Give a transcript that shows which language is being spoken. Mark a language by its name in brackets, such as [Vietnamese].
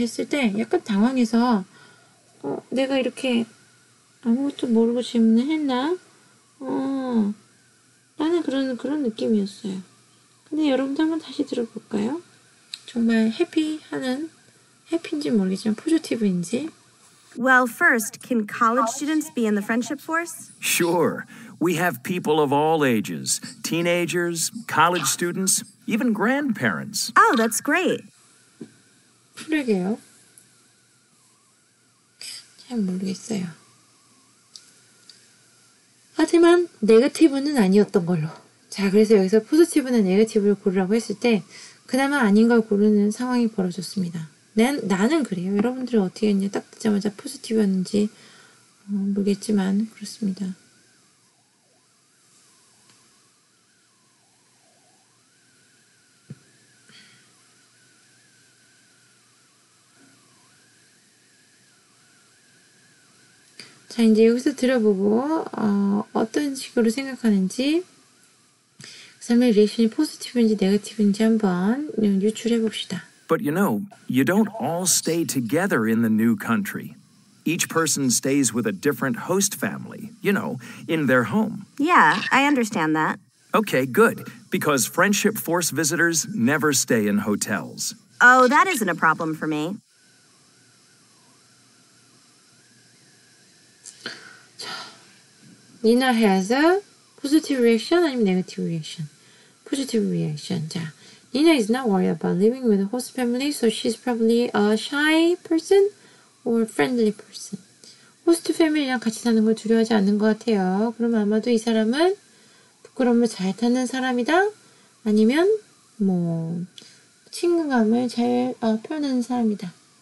[Korean] 했을 때 약간 당황해서 내가 이렇게 아무것도 모르고 질문을 했나? 나는 그런 느낌이었어요. 근데 여러분들 한번 다시 들어볼까요? 정말 해피하는 해피인지 모르겠지만 포지티브인지. [English] Well, first, can college students be in the friendship force? Sure. We have people of all ages. Teenagers, college students, even grandparents. Oh, that's great. [Korean] 그러게요. 잘 모르겠어요. 하지만 네거티브는 아니었던 걸로. 자, 그래서 여기서 포지티브나 네거티브를 고르라고 했을 때 그나마 아닌 걸 고르는 상황이 벌어졌습니다. 나는 그래요. 여러분들은 어떻게 했냐. 딱 듣자마자 포지티브였는지 모르겠지만 그렇습니다. 자, 이제 여기서 들어보고 어떤 식으로 생각하는지 그 사람의 리액션이 포지티브인지 네거티브인지 한번 유출해봅시다. [English] But you know, you don't all stay together in the new country. Each person stays with a different host family, you know, in their home. Yeah, I understand that. Okay, good. Because Friendship Force visitors never stay in hotels. Oh, that isn't a problem for me. 니나 has a positive reaction [Korean] 아니면 [English] negative reaction? Positive reaction. 자, Nina is not worried about living with a host family, so she's probably a shy person or friendly person. [Korean] Host family랑 같이 사는 걸 두려워하지 않는 것 같아요. 그럼 아마도 이 사람은 부끄러움을 잘 타는 사람이다? 아니면 뭐 친근감을 잘 표현하는 사람이다?